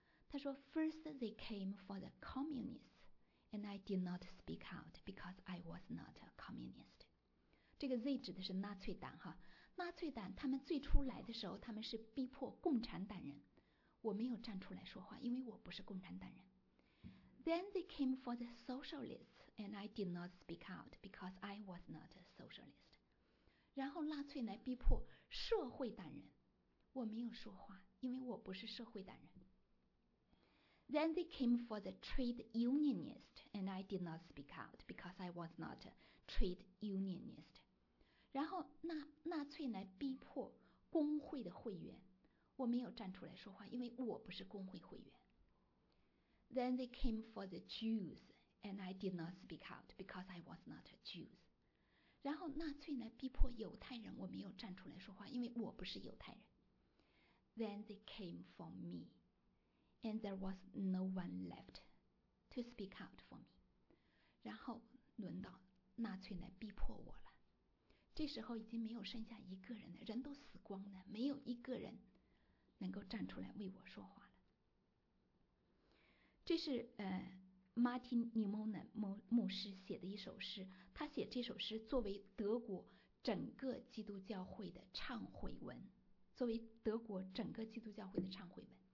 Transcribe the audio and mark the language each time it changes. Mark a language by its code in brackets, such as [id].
[zh] 他说 [en] First they came for the communists, and I did not speak out because I was not a communist. [zh] 这个 Z 指的是纳粹党哈，纳粹党他们最初来的时候，他们是逼迫共产党人，我没有站出来说话，因为我不是共产党人。 [en] Then they came for the socialists, and I did not speak out because I was not a socialist. [zh] 然后纳粹来逼迫社会党人，我没有说话，因为我不是社会党人。 [en] Then they came for the trade unionist, and I did not speak out because I was not a trade unionist. [zh] 然后纳粹来逼迫工会的会员，我没有站出来说话，因为我不是工会会员。 [en] Then they came for the Jews, and I did not speak out because I was not a Jew. [zh] 然后纳粹来逼迫犹太人，我没有站出来说话，因为我不是犹太人。 [en] Then they came for me. And there was no one left to speak out for me. [zh] 然后轮到纳粹来逼迫我了。这时候已经没有剩下一个人了，人都死光了，没有一个人能够站出来为我说话了。这是马丁·尼蒙呢牧师写的一首诗，他写这首诗作为德国整个基督教会的忏悔文，作为德国整个基督教会的忏悔文。